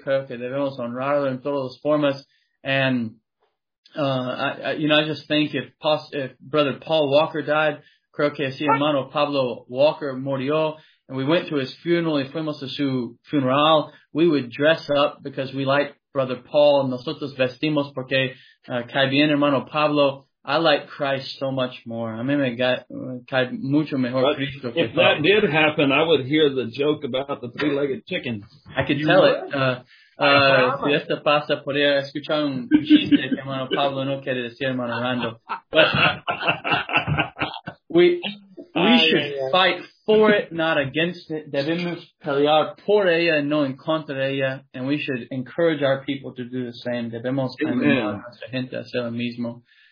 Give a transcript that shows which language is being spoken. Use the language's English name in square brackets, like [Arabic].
[Spanish] Creo que debemos honrarlo en todas las formas. [English] And I just think if Brother Paul Walker died, [Spanish] creo que si hermano Pablo Walker murió, [English] and we went to his funeral [Spanish] y fuimos a su funeral, [English] we would dress up because we like Brother Paul. [Spanish] Nosotros vestimos porque cae bien hermano Pablo. [English] I like Christ so much more. [Spanish] A mí me cae mucho mejor Cristo. [English] If that did happen, I would hear the joke about the three-legged chicken. I could tell it. [Spanish] Si esto pasa, podría escuchar un chiste que hermano Pablo no quiere decir, hermano Rando. [English] But we should fight for it, not against it. [Spanish] Debemos pelear por ella, no en contra de ella. [English] And we should encourage our people to do the same. [Spanish] Debemos animar a nuestra gente a hacer lo mismo.